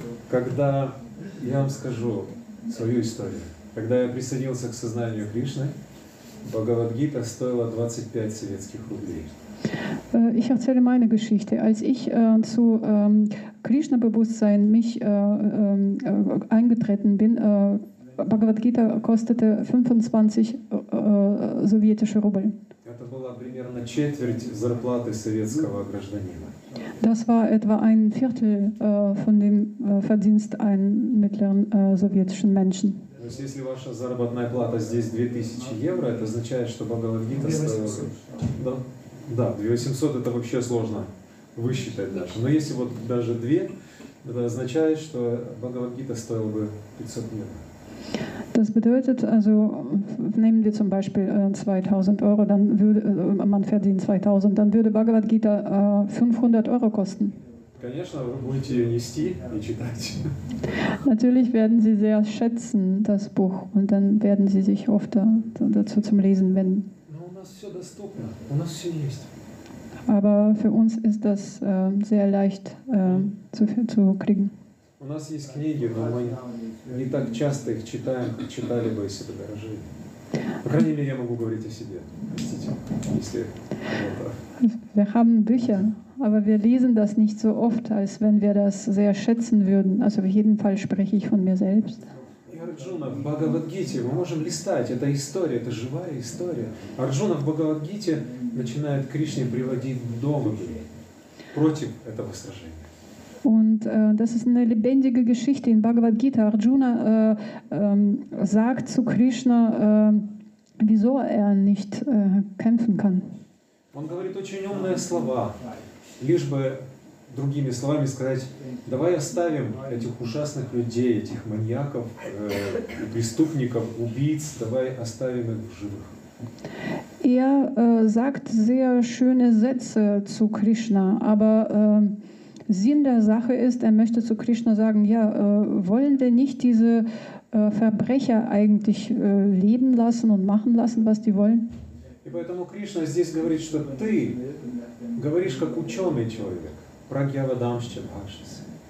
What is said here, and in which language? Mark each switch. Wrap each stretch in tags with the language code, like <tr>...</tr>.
<ru>Когда я вам скажу свою историю, когда я присоединился к сознанию Кришны, Бхагавад-Гита стоила 25 советских рублей.</ru> <de>Ich erzähle meine Geschichte. Als ich zu Krishna-Bewusstsein mich eingetreten bin, Bhagavad Gita kostete 25 sowjetische Rubel.</de> <ru>Это была примерно четверть зарплаты советского гражданина.</ru> <de>Das war etwa ein Viertel von dem Verdienst eines mittleren sowjetischen Menschen.</de> <ru>То есть если ваша заработная плата здесь 2000 евро, это означает, что Бхагавад-гита стоит... Да? Да, 2800 это вообще сложно высчитать даже. Но если вот даже 2, это означает, что Бхагавад-гита стоила бы 500 евро.</ru> <de>Das bedeutet also, nehmen wir zum Beispiel 2000 Euro, dann würde man verdient 2000, dann würde Bhagavad Gita 500 Euro kosten.</de> <ru>Конечно, вы будете ее нести и читать.</ru> <de>Natürlich werden Sie sehr schätzen das Buch und dann werden Sie sich oft dazu zum Lesen wenden.</de> <ru>Но у нас все доступно, у нас все есть.</ru> <de>Aber für uns ist das sehr leicht zu kriegen.</de> <ru>У нас есть книги, но мы не так часто их читаем, как читали бы, если бы дорожили. По крайней мере, я могу говорить о себе. Простите, если кто-то...</ru> <de>Wir haben Bücher, aber wir lesen das nicht so oft, als wenn wir das sehr schätzen würden. Also, auf jeden Fall spreche ich von mir selbst.</de> <ru>Арджуна в Бхагавад-гите, мы можем листать, это история, это живая история. Арджуна в Бхагавад-гите начинает Кришне приводить в дом против этого сражения.</ru> <de>Und das ist eine lebendige Geschichte in Bhagavad Gita. Arjuna sagt zu Krishna, wieso er nicht kämpfen kann.</de> <ru>Он говорит очень умные слова, лишь бы другими словами сказать: давай оставим этих ужасных людей, этих маньяков, преступников, убийц, давай оставим их в живых.</ru> <de>Er sagt sehr schöne Sätze zu Krishna, aber Sinn der Sache ist, er möchte zu Krishna sagen, ja, wollen wir nicht diese Verbrecher eigentlich leben lassen und machen lassen, was die wollen?</de> <ru>И поэтому Кришна здесь говорит, что ты говоришь как ученый человек,</ru> <sa>прагьявадамшча бхашис.</sa>